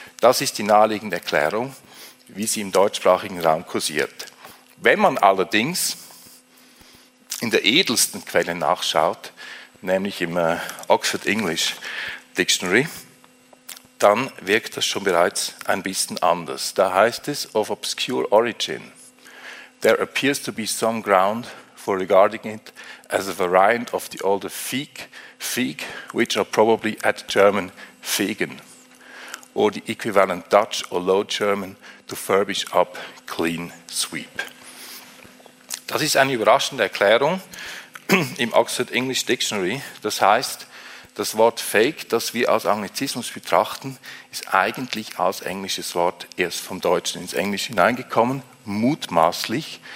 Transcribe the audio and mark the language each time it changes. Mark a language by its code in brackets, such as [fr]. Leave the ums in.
[de] Das ist die naheliegende Erklärung, wie sie im deutschsprachigen Raum kursiert. Wenn man allerdings in der edelsten Quelle nachschaut, nämlich im Oxford English Dictionary, dann wirkt das schon bereits ein bisschen anders. Da heißt es [en] of obscure origin. There appears to be some ground for regarding it as a variant of the older Fieg, Fieg which are probably at German Fegen, or the equivalent Dutch or Low German to furbish up, clean, sweep. [de] Das ist eine überraschende Erklärung im Oxford English Dictionary. Das heißt, das Wort Fake, das wir als Anglizismus betrachten, ist eigentlich als englisches Wort erst vom Deutschen ins Englische hineingekommen mutmaßlich.